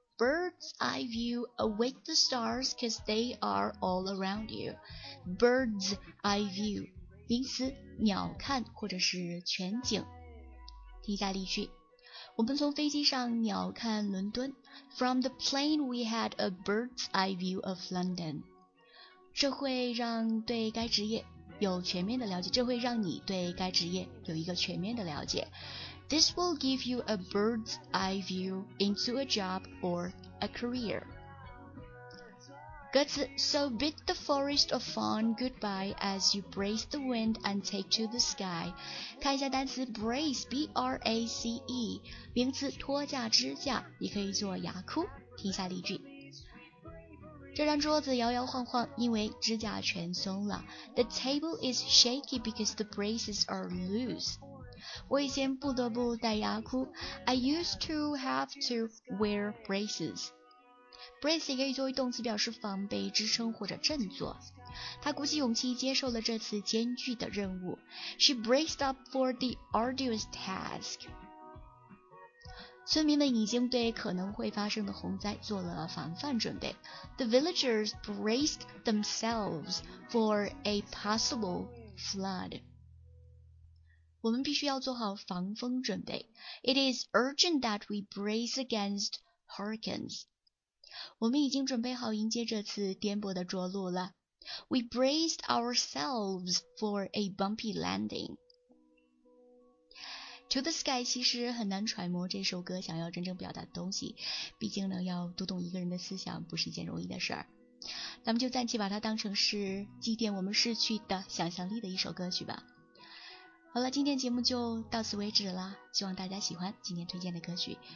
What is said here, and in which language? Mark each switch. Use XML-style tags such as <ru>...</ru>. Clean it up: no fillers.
<en>Bird's eye view, await the stars, cause they are all around you. Bird's eye view,</en> <zh>名词，鸟看或者是全景。听下例句，我们从飞机上鸟看伦敦。</zh> <en>From the plane, we had a bird's eye view of London.</en> <zh>这会让对该职业有全面的了解。这会让你对该职业有一个全面的了解。</zh> <en>This will give you a bird's eye view into a job or a career.</en> <zh>歌词</zh> <en>So bid the forest of fawn goodbye as you brace the wind and take to the sky.</en> <zh>看一下单词 brace, B-R-A-C-E, 名词托架支架，也可以做牙箍。听下例句。这张桌子摇摇晃晃，因为支架全松了。</zh> <en>The table is shaky because the braces are loose.</en> <zh>我以前不得不戴牙箍。</zh> <en>I used to have to wear braces.</en> <zh>Brace 也可以作为动词表示防备、支撑或者振作。她鼓起勇气接受了这次艰巨的任务。</zh> <en>She braced up for the arduous task.</en> <zh>村民们已经对可能会发生的洪灾做了防范准备。</zh> <en>The villagers braced themselves for a possible flood.</en> <zh>我们必须要做好防风准备。</zh> <en>It is urgent that we brace against hurricanes.</en> <zh>我们已经准备好迎接这次颠簸的着陆了。</zh> <en>We braced ourselves for a bumpy landing. To the sky</en> <zh>其实很难揣摩这首歌想要真正表达的东西，毕竟呢，要读懂一个人的思想不是一件容易的事儿。咱们就暂且把它当成是祭奠我们逝去的想象力的一首歌曲吧。好了，今天节目就到此为止了，希望大家喜欢今天推荐的歌曲。</zh>